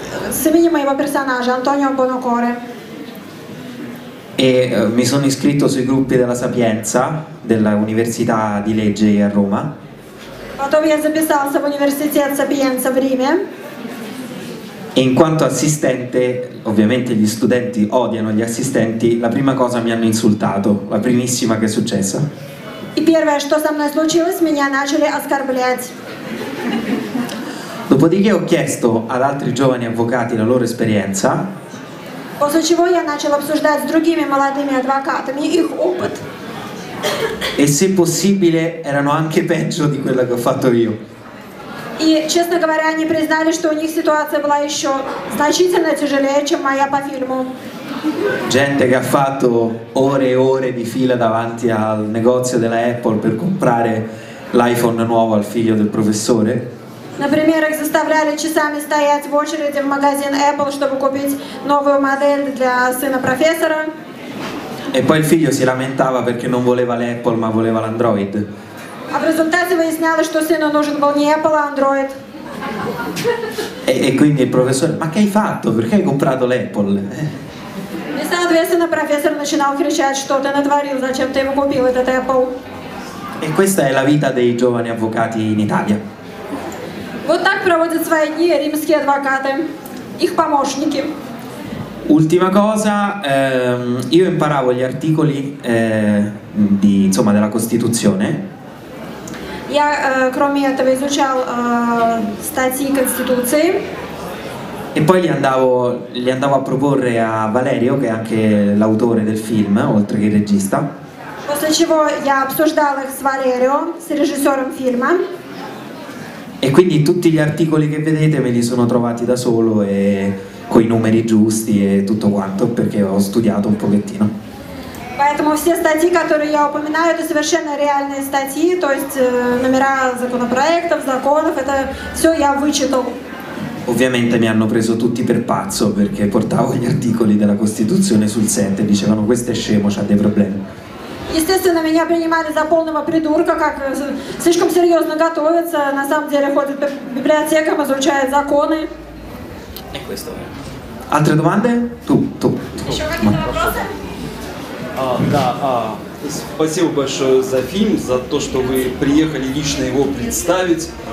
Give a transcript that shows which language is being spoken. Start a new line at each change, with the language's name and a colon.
Russian: С именем моего персонажа Антонио Бонокоре.
Italian: E mi sono iscritto sui gruppi della Sapienza della Università di Legge a Roma.
Russian: Потом я записался в университет Сапиенца в Риме.
Italian: E in quanto assistente, ovviamente gli studenti odiano gli assistenti, la prima cosa mi hanno insultato, la primissima che è successa.
Russian: И первое, что со мной случилось, меня начали оскорблять.
Italian: Dopodiché ho chiesto ad altri giovani avvocati la loro esperienza.
Russian: После чего я начал обсуждать с другими молодыми адвокатами их опыт.
Italian: E se possibile erano anche peggio di quella che ho fatto io.
Russian: И, честно говоря, они признали, что у них ситуация была еще значительно тяжелее, чем моя по фильму.
Italian: Gente che ha fatto ore e ore di fila davanti al negozio della Apple per comprare l'iPhone nuovo al figlio del professore.
Russian: Например, их заставляли часами стоять в очереди в магазин Apple, чтобы купить новую модель для сына профессора.
Italian: E poi il figlio si lamentava perché non voleva l'Apple, ma voleva l'Android.
Russian: А в результате выясняли, что сыну нужен был не Apple, а Android.
Italian: E quindi il professore: ma che hai fatto? Perché hai comprato l'Apple?
Russian: И соответственно профессор начинал кричать: что ты натворил? Зачем ты его купил, этот Apple?
Italian: E questa è la vita dei giovani avvocati in Italia.
Russian: Вот так проводят свои дни римские адвокаты, их помощники.
Italian: Ultima cosa, io imparavo gli articoli di, insomma, della Costituzione.
Russian: Я, кроме этого, изучал статьи Конституции.
Italian: E poi li andavo a proporre a Valerio, che è anche l'autore del film, oltre che il regista.
Russian: После чего я обсуждал их с Валерио, с режиссером фильма.
Italian: E quindi tutti gli articoli che vedete me li sono trovati da solo e coi numeri giusti e tutto quanto, perché ho studiato un pochettino.
Russian: Поэтому все статьи, которые я упоминаю, это совершенно реальные статьи, то есть номера законопроектов, законов, это все я вычитал.
Italian: Ovviamente mi hanno preso tutti per pazzo perché portavo gli articoli della Costituzione sul set e dicevano: questo è scemo, c'ha dei problemi.
Russian: Естественно, меня принимали за полного придурка, как слишком серьезно готовится, на самом деле ходит по библиотекам, изучает законы.
Italian: E questo è. Altre domande? Tu.
Russian: Еще какие-то вопросы? Да, спасибо большое за фильм, за то, что вы приехали лично его представить.